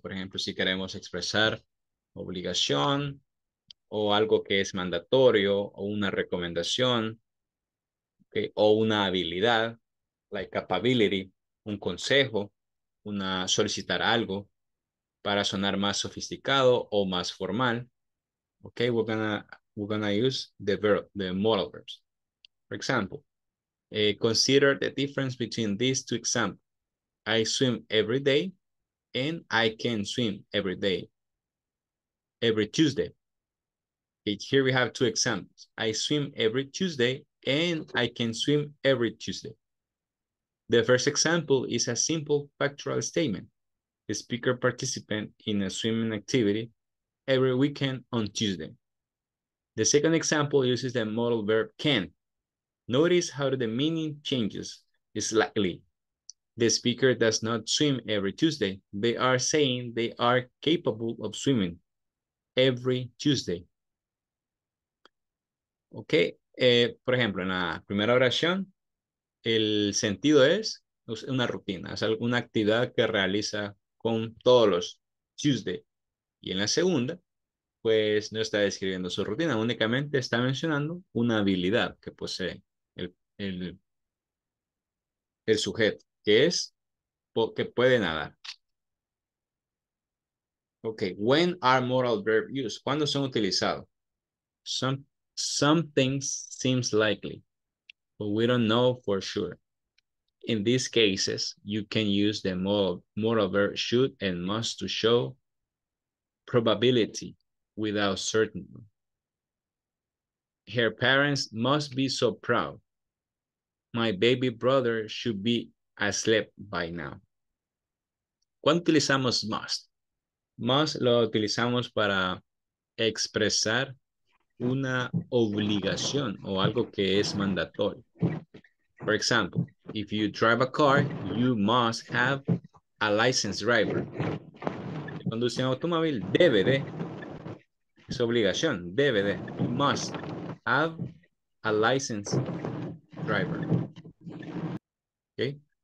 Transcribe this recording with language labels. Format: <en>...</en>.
<es>Por ejemplo, si queremos expresar obligación o algo que es mandatorio o una recomendación, okay, o una habilidad,</es> <en>like capability,</en> <es>un consejo, una solicitar algo para sonar más sofisticado o más formal.</es> <en>Okay, we're gonna use the verb, the modal verbs. For example, consider the difference between these two examples. I swim every day and I can swim every day, every Tuesday. Here we have two examples. I swim every Tuesday and I can swim every Tuesday. The first example is a simple factual statement. The speaker participant in a swimming activity every weekend on Tuesday. The second example uses the modal verb can. Notice how the meaning changes slightly. The speaker does not swim every Tuesday. They are saying they are capable of swimming every Tuesday.</en> <es>Ok, por ejemplo, en la primera oración, el sentido es una rutina, es alguna actividad que realiza con todos los Tuesday. Y en la segunda, pues no está describiendo su rutina, únicamente está mencionando una habilidad que posee el sujeto, que es que puede nadar.</es> <en>Ok, when are modal verb used?</en> <es>¿Cuándo son utilizados?</es> <en>Some things seems likely, but we don't know for sure. In these cases, you can use the modal verb should and must to show probability without certainty. Her parents must be so proud. My baby brother should be asleep by now.</en> <es>¿Cuándo utilizamos must? Must lo utilizamos para expresar una obligación o algo que es mandatorio.</es> <en>For example, if you drive a car, you must have a licensed driver.</en> <es>Conduce un automóvil, debe de, es obligación, debe de,</es> <en>you must have a licensed driver.</en> <es>Okay?</es>